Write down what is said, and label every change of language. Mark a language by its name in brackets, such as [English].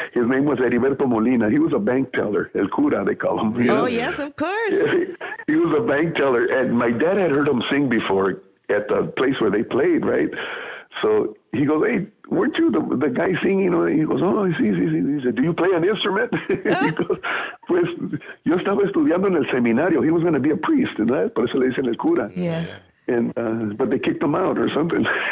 [English] His name was Heriberto Molina. He was a bank teller. El cura, they call him. Oh, know? Yes, of course. Yeah, he was a bank teller. And my dad had heard him sing before at the place where they played, right? So he goes, hey, weren't you the guy singing? He goes, oh, sí. He said, do you play an instrument? [Spanish] He goes, pues, yo estaba estudiando en el seminario. [English] He was going to be a priest, and that, [Spanish] por eso le dicen el cura. [English] Yes. Yeah. And but they kicked him out or something.